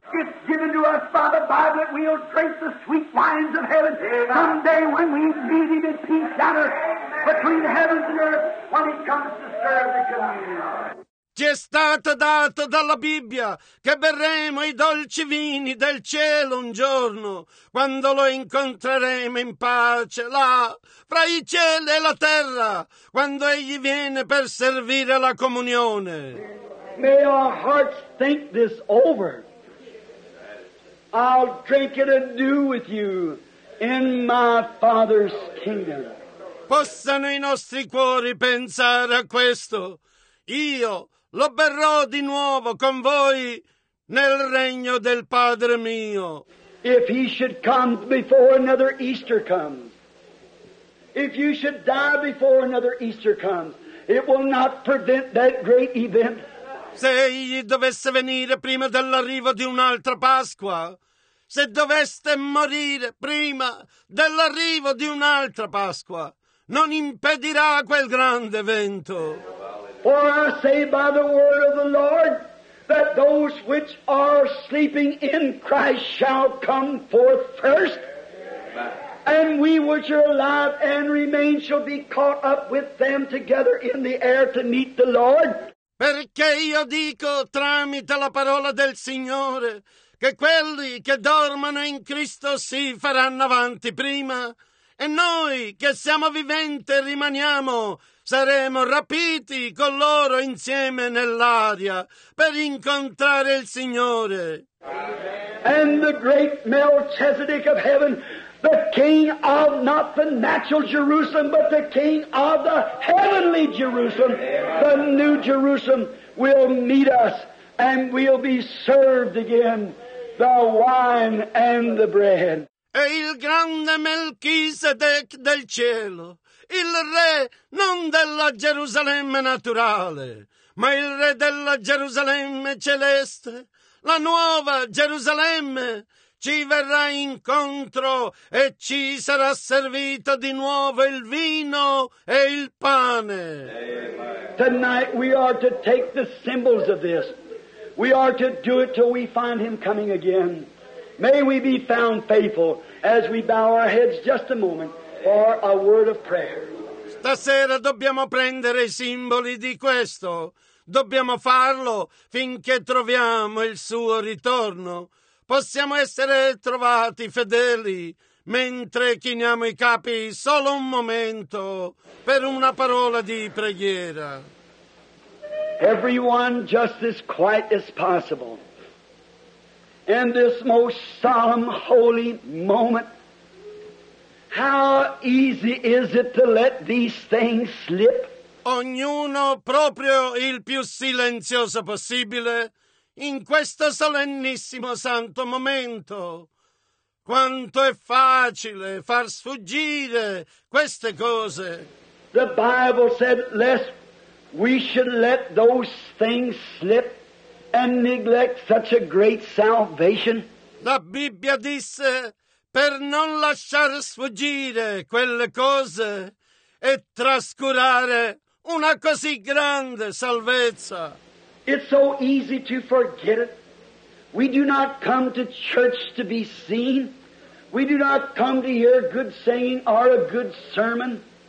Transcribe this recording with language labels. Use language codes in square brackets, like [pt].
[en] It's given to us by the Bible that we'll drink the sweet wines of heaven someday when we meet in peace shattered between heaven and earth when it comes to serve the community. [it] Ci è stato dato dalla Bibbia che berremo i dolci vini del cielo un giorno, quando lo incontreremo in pace, là, fra i cieli e la terra, quando egli viene per servire la comunione. [en] May our hearts think this over. I'll drink it anew with you in my Father's kingdom. [it] Possano i nostri cuori pensare a questo. Io lo berrò di nuovo con voi nel regno del Padre mio. [en] If he should come before another Easter comes, if you should die before another Easter comes, it will not prevent that great event. [it] Se egli dovesse venire prima dell'arrivo di un'altra Pasqua, se doveste morire prima dell'arrivo di un'altra Pasqua, non impedirà quel grande evento. [en] For I say by the word of the Lord that those which are sleeping in Christ shall come forth first, and we which are alive and remain shall be caught up with them together in the air to meet the Lord. [it] Perché io dico tramite la parola del Signore che quelli che dormono in Cristo si faranno avanti prima, e noi che siamo viventi rimaniamo saremo rapiti con loro insieme nell'aria per incontrare il Signore. [en] And the great Melchizedek of heaven, the king of not the natural Jerusalem, but the king of the heavenly Jerusalem, the new Jerusalem, will meet us and we'll be served again the wine and the bread. [it] E il grande Melchizedek del cielo, il re non della Gerusalemme naturale, ma il re della Gerusalemme celeste, la nuova Gerusalemme, ci verrà incontro e ci sarà servito di nuovo il vino e il pane. [en] Tonight we are to take the symbols of this. We are to do it till we find him coming again. May we be found faithful as we bow our heads just a moment for a word of prayer. [it] Stasera dobbiamo prendere i simboli di questo. Dobbiamo farlo finché troviamo il suo ritorno. Possiamo essere trovati fedeli mentre chiniamo i capi solo un momento per una parola di preghiera. [en] Everyone just as quiet as possible. In this most solemn, holy moment, how easy is it to let these things slip? [it] Ognuno proprio il più silenzioso possibile in questo solennissimo santo momento. Quanto è facile far sfuggire queste cose. [en] The Bible said, lest we should let those things slip and neglect such a great salvation. [it] La Bibbia disse per non lasciar sfuggire quelle cose e trascurare una così grande salvezza. [en] It's so easy to forget it. We do not come to church to be seen. We do not come to hear good singing or a good sermon.